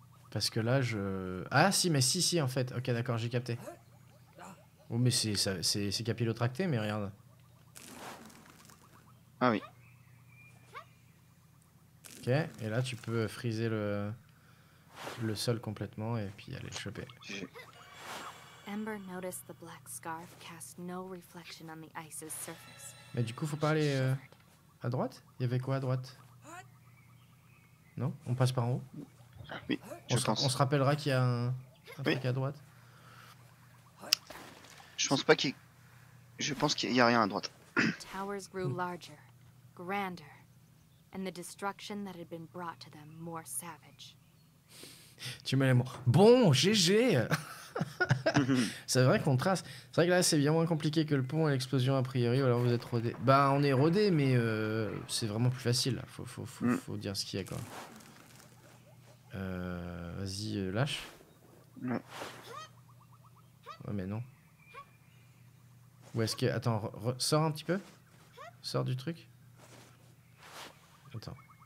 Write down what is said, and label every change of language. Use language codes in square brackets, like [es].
[fr] Parce que là, je... Ah si, mais si, en fait. Ok, d'accord, j'ai capté. Oh, mais c'est capillotracté, mais regarde. Ah oui. Okay. Et là, tu peux friser le sol complètement et puis aller le choper. [en] Ember noticed the black scarf cast no reflection on the ice's surface. [fr] Mais du coup, faut pas aller à droite. Il y avait quoi à droite? Non, on passe par en haut. Oui, on se rappellera qu'il y a un truc à droite. Je pense pas qu'il. Je pense qu'il y a rien à droite. [en] Towers grew larger, grander. And the destruction that had been brought to them more savage. [fr] Tu m'aimes. Bon, GG. C'est vrai qu'on trace. C'est vrai que là, c'est bien moins compliqué que le pont et l'explosion a priori. Alors vous êtes rodé. Bah, on est rodé, mais c'est vraiment plus facile. Faut dire ce qu'il y a, quoi. Vas-y, lâche. Non. Ouais, mais non. Où est-ce que. Attends, sors un petit peu. Sors du truc. Attends.